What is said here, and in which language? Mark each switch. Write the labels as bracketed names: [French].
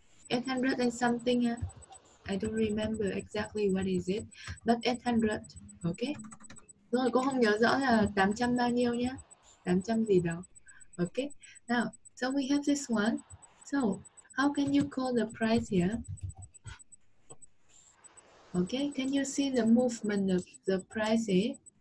[English] 800 and something, I don't remember exactly what is it, but 800, okay? [Vietnamese] Rồi, cô không nhớ rõ là 800 bao nhiêu nhé? 800 gì đó, [English] okay? Now, so we have this one. So, how can you call the price here? Okay, can you see the movement of the price here?